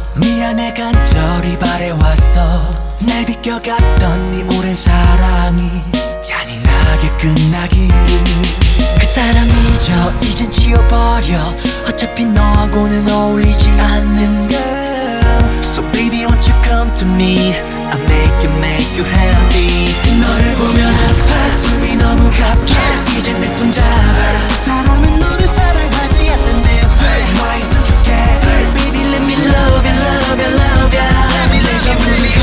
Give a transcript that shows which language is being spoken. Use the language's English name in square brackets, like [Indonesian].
[Korean] 미안해 간절히 바래왔어. 날 비껴갔던 네 오랜 사랑이 잔인하게 끝나기를. 그 사람 잊어 이젠 지워버려. 어차피 너하고는 어울리지 않는 girl. [English] So baby won't you come to me. I'll make you happy. [Korean] 너를 보면 아파. 숨이 너무 가파. Yeah. 이젠 내 손 잡아. 그 사람은 너를 사랑하지 않는데. [English] Hey. Why don't you get hurt? Baby let me love you, love you, love you.